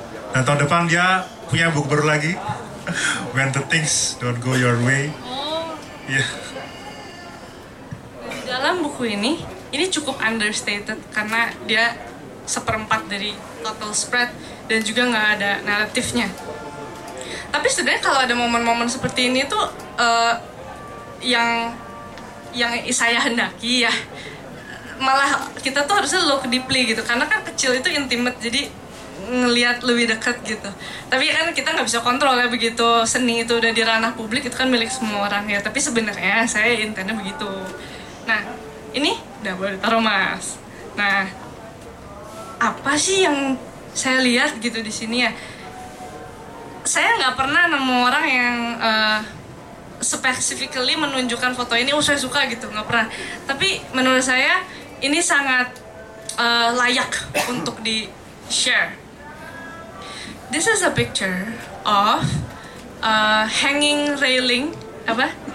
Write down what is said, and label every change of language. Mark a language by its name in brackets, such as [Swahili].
[Indonesian] Dan tahun depan dia punya buku baru lagi. [English] When the things don't go your way. Oh. Yeah. [Indonesian] Dalam buku ini cukup understated karena dia seperempat dari total spread. Dan juga nggak ada naratifnya. Tapi sebenarnya kalau ada momen-momen seperti ini tuh yang saya hendaki ya, malah kita tuh harusnya [English] look deeply [Indonesian] gitu, karena kan kecil itu intimate, jadi ngelihat lebih dekat gitu. Tapi kan kita nggak bisa kontrol ya, begitu seni itu udah di ranah publik itu kan milik semua orang ya. Tapi sebenarnya saya intinya begitu. Nah ini udah boleh taruh mas. Nah apa sih yang saya lihat gitu di sini ya? Saya nggak pernah nemu orang yang specifically menunjukkan foto ini, oh saya suka gitu, nggak pernah. Tapi menurut saya ini sangat layak untuk di share. [English] This is a picture of hanging railing, [Indonesian] apa?